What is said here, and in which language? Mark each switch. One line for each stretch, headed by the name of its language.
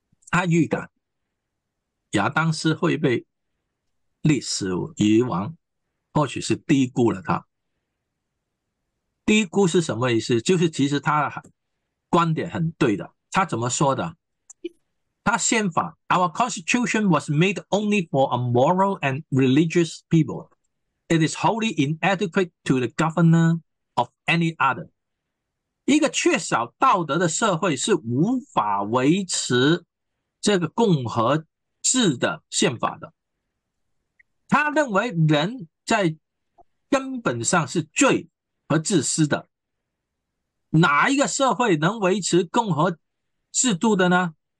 Chinese: 他预感亚当斯会被历史遗忘，或许是低估了他。低估是什么意思？就是其实他的观点很对的。他怎么说的？他宪法，
English: Our Constitution was made only for a moral and religious people. It is wholly inadequate to the governor of any other.
Chinese: 一个缺少道德的社会是无法维持这个共和制的宪法的。他认为人在根本上是罪和自私的，哪一个社会能维持共和制度的呢？